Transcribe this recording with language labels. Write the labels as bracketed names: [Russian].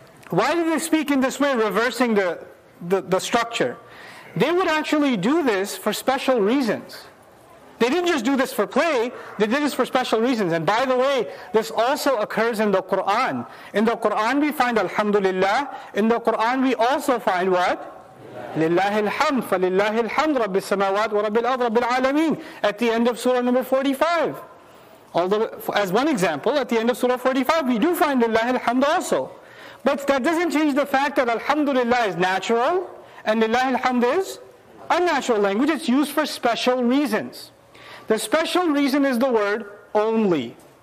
[English] Why did they speak in this way, reversing the structure? They would actually do this for special reasons. They didn't just do this for play, they did this for special reasons. And by the way, this also occurs in the Quran. In the Quran we find Alhamdulillah, in the Quran we also find what? [Arabic] لِلَّهِ الْحَمْدْ فَلِلَّهِ الْحَمْدْ رَبِّ السَّمَاوَاتِ وَرَبِّ الْأَرْضِ رَبِّ الْعَالَمِينَ [English] at the end of Surah number 45. Although, as one example, at the end of Surah 45, we do find [Arabic] لِلَّهِ الْحَمْدْ [English] also. But that doesn't change the fact that Alhamdulillah is natural, and [Arabic] لِلَّهِ الْحَمْدْ [English] is unnatural language. It's used for special reasons. The special reason is the word only.